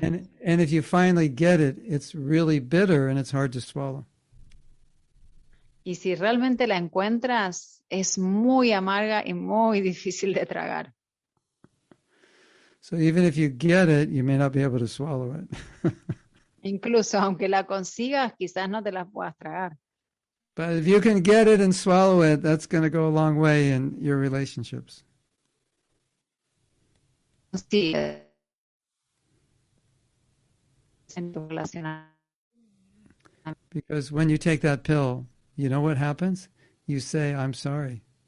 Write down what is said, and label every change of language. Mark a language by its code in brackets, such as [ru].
[en] And if you finally get it, it's really bitter and it's hard to swallow. [es] Y si realmente la encuentras, es muy amarga y muy difícil de tragar. [en] So even if you get it, you may not be able to swallow it. [es] Incluso aunque la consigas, quizás no te la puedas tragar. [en] But if you can get it and swallow it, that's going to go a long way in your relationships. [es] Sí. En tu relación. [en] Because when you take that pill, you know what happens? You say, I'm sorry.